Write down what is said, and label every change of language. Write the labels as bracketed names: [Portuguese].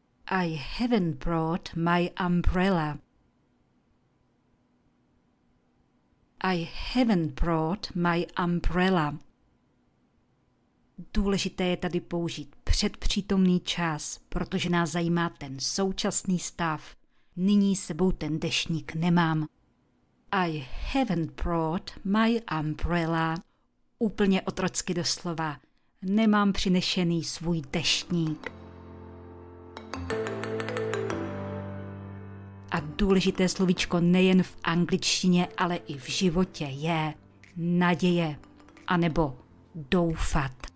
[English] I haven't brought my umbrella. I haven't brought my umbrella. [Czech] Důležité je tady použít předpřítomný čas, protože nás zajímá ten současný stav. Nyní sebou ten deštník nemám. [English] I haven't brought my umbrella. [Czech] Úplně otrocky doslova. Nemám přinešený svůj deštník. A důležité slovíčko nejen v angličtině, ale i v životě je naděje, anebo doufat.